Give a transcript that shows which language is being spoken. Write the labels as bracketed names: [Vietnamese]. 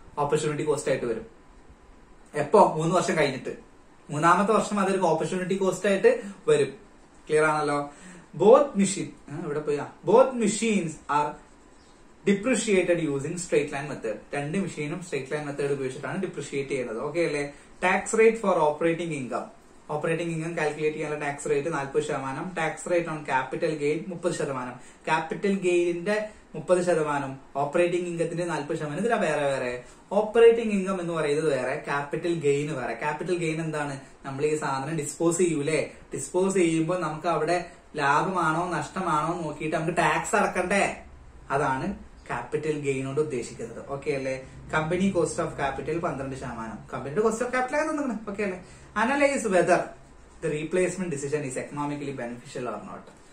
[Malayalam] Opportunity cost ആയിട്ട് വരും. എപ്പോ? 3 വർഷം കഴിഞ്ഞിട്ട്. 3ാമത്തെ വർഷം അതൊരു ഓപ്പർച്യൂണിറ്റി കോസ്റ്റ് ആയിട്ട് വരും. ക്ലിയർ ആണല്ലോ. ബോത്ത് മെഷീൻ, ഇവിടെ പോയാ, [English] Both machines are depreciated using straight line method. [Malayalam] രണ്ട് മെഷീനും സ്ട്രേറ്റ് ലൈൻ മെത്തേഡ് ഉപയോഗിച്ചിട്ടാണ് ഡിപ്രിഷ്യേറ്റ് ചെയ്യുന്നത്, ഓക്കെ അല്ലേ. [English] tax rate for operating income. Operating income calculate tax rate 40%, tax rate on capital gain 30%. [Malayalam] Capital gain in the 30%, operating income in 40%, ഇതിനെ വേറെ വേറെ operating income എന്ന് പറയുന്നത് വേറെ capital gain വേറെ capital gain എന്താണ് നമ്മൾ ഈ സാധനം dispose ചെയ്യൂലേ dispose ചെയ്യുമ്പോൾ നമുക്ക് അവിടെ ലാഭമാണോ നഷ്ടമാണോ നോക്കിയിട്ട് നമുക്ക് tax അടക്കണ്ടേ അതാണ് capital gain കൊണ്ട് ഉദ്ദേശിക്കുന്നത് okay അല്ലേ company cost of capital 12% company cost of capital എന്ന് നിങ്ങൾ okay അല്ലേ [English] analyze whether the replacement decision is economically beneficial or not